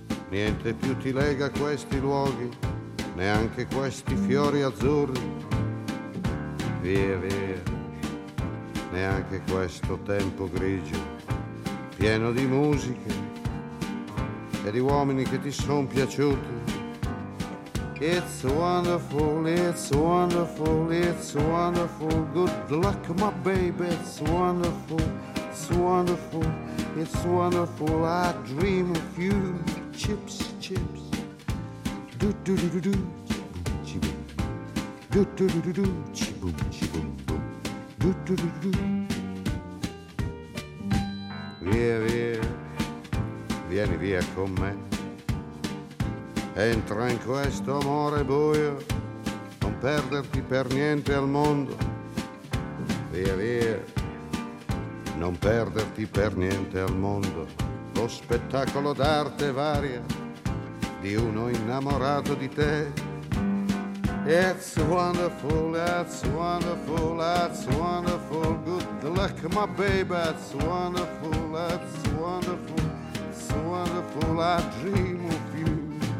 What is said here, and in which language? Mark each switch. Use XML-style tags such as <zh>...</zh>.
<it>Niente più ti lega a questi luoghi, neanche questi fiori azzurri. Via, via, neanche questo tempo grigio, pieno di musiche e di uomini che ti sono piaciuti.</it> <en>It's wonderful, it's wonderful, it's wonderful. Good luck, my baby, it's wonderful, it's wonderful, it's wonderful. I dream of you, chips, chips. Do-do-do-do-do, chi-boom, chi-boom. Do-do-do-do-do, chi-boom, chi-boom, boom. Do-do-do-do-do.</en> <it>Via, via, vieni via con me. Entra in questo amore buio, non perderti per niente al mondo. Via, via, non perderti per niente al mondo. Lo spettacolo d'arte varia di uno innamorato di te.</it> <en>It's wonderful, that's wonderful, that's wonderful. Good luck, my baby, that's wonderful, that's wonderful. It's wonderful, I dream of you.</en>